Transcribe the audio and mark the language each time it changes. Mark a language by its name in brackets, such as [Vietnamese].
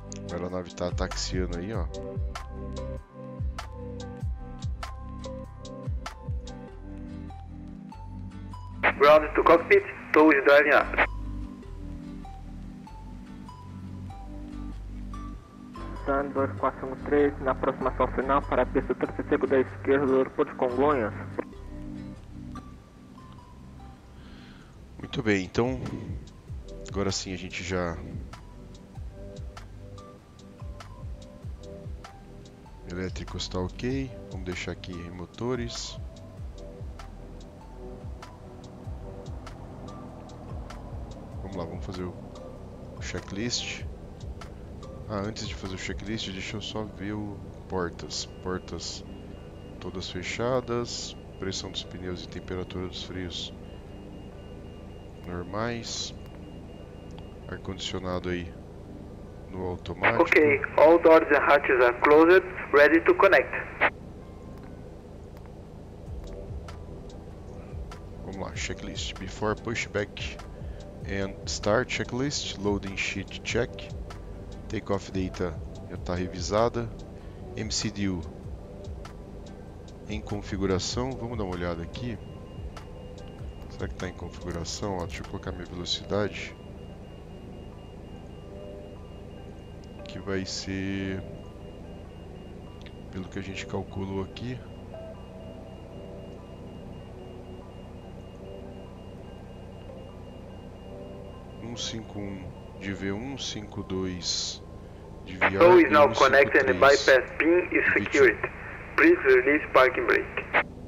[Portuguese] A aeronave tá taxiando aí, ó. [English] Ground to cockpit, tow is driving up. [Portuguese] Sandor 413, na aproximação final para a pista 35 da esquerda do aeroporto de Congonhas. Muito bem, então agora sim a gente já elétrico está ok, vamos deixar aqui em motores. Vamos lá, vamos fazer o checklist. Ah, antes de fazer o checklist, deixa eu só ver o portas. Portas todas fechadas, pressão dos pneus e temperatura dos freios normais, ar-condicionado aí no automático. [English] Ok, all doors and hatches are closed, ready to connect. [Portuguese] Vamos lá, [English] checklist. Before pushback and start checklist, loading sheet check. [Portuguese] Takeoff data já está revisada. MCDU em configuração. Vamos dar uma olhada aqui. Será que está em configuração? Ó, deixa eu colocar minha velocidade. Que vai ser, pelo que a gente calculou aqui, um 51 de V1, 52 [English] Tow is now connected and bypass pin is secured. Please release parking brake.